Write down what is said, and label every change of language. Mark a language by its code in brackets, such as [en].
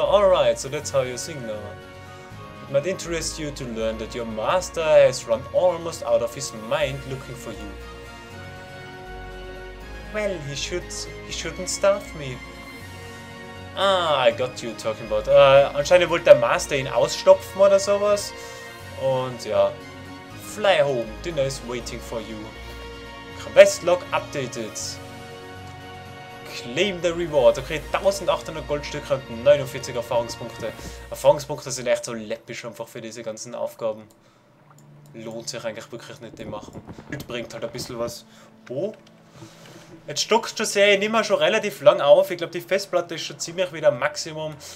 [en] Alright, so that's how you sing now. It might interest you to learn that your master has run almost out of his mind looking for you. Well, he shouldn't starve me. Ah, I got you talking about. [de] Anscheinend wollte der Master ihn ausstopfen oder sowas. Und ja. [en] Fly home, dinner is waiting for you. Questlog updated. Claim the reward. [de] Okay, 1800 Goldstücke und 49 Erfahrungspunkte. Erfahrungspunkte sind echt so läppisch einfach für diese ganzen Aufgaben. Lohnt sich eigentlich wirklich nicht, die machen. Das bringt halt ein bisschen was. Oh. Jetzt stockst du sehr, ich nehme schon relativ lang auf. Ich glaube, die Festplatte ist schon ziemlich wieder Maximum.